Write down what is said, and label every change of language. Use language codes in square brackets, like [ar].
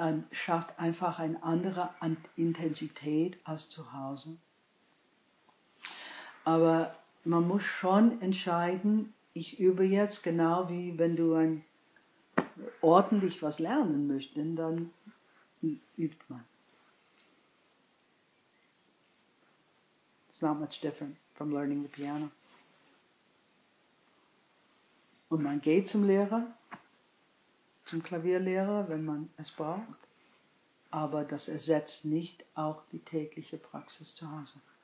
[de] Schafft einfach eine andere Intensität als zu Hause. Aber man muss schon entscheiden, ich übe jetzt genau wie wenn du ein ordentlich was lernen möchtest, dann übt man. [en] It's not much different from learning the piano. [de] Und man geht zum Lehrer, zum Klavierlehrer, wenn man es braucht. Aber das ersetzt nicht auch die tägliche Praxis zu Hause.